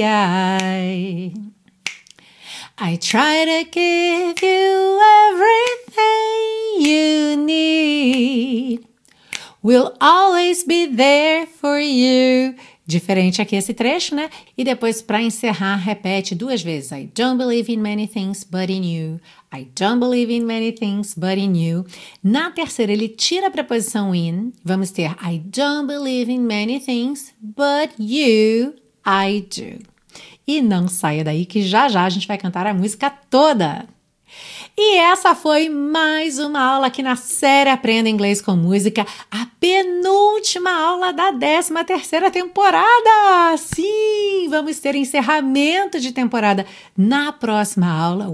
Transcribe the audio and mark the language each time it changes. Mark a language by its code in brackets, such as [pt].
[en] I try to give you everything you need. We'll always be there for you. [pt] Diferente aqui esse trecho, né? E depois, para encerrar, repete duas vezes. [en] I don't believe in many things but in you. I don't believe in many things but in you. [pt] Na terceira, ele tira a preposição in. Vamos ter [en] I don't believe in many things but you, I do. [pt] E não saia daí que já já a gente vai cantar a música toda. E essa foi mais uma aula aqui na série Aprenda Inglês com Música, a penúltima aula da 13ª temporada. Sim, vamos ter encerramento de temporada na próxima aula.